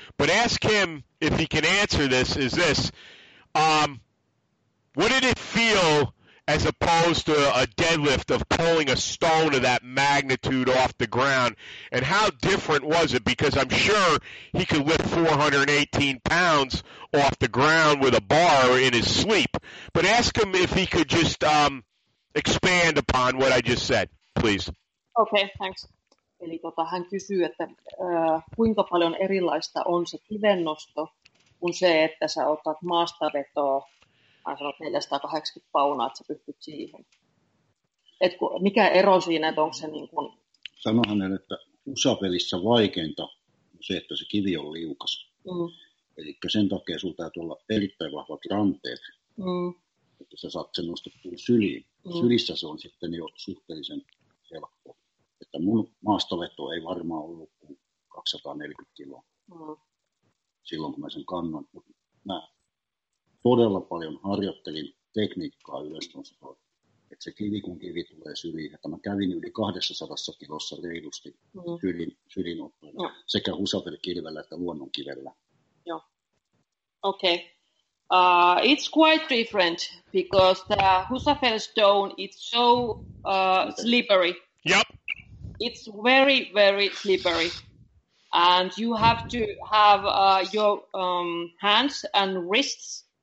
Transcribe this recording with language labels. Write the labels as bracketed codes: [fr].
[en] But ask him if he can answer this, what did it feel as opposed to a deadlift of pulling a stone of that magnitude off the ground? And how different was it? Because I'm sure he could lift 418 pounds off the ground with a bar in his sleep. But ask him if he could just expand upon what I just said, please. Okay, thanks. [fi] Eli hän kysyy, että kuinka paljon erilaista on se kivennosto kuin se, että sä otat maastavetoa. Mä sanon, että 480 paunaa, että sä pystyt siihen. Et mikä ero siinä, että onko se niin kuin... Sanohan hän, että Husafellissa vaikeinta on se, että se kivi on liukas. Eli sen takia sulla täytyy olla erittäin vahvat ranteet, että sä saat sen nostettua syliin. Sylissä se on sitten jo suhteellisen helppo. Että mun maastaveto ei varmaan ollut kuin 240 kiloa silloin, kun mä sen kannan. Todella paljon harjoittelin tekniikkaa yleisnostoa, että se kivi kun kivi tulee syliin, että mä kävin yli 200 kilossa reilusti sylinottoja, sekä Husafell-kilvellä että luonnonkivellä. Joo. Okay. [en] It's quite different because the Husafell stone is so slippery. Yep. It's very, very slippery. And you have to have your hands and wrists.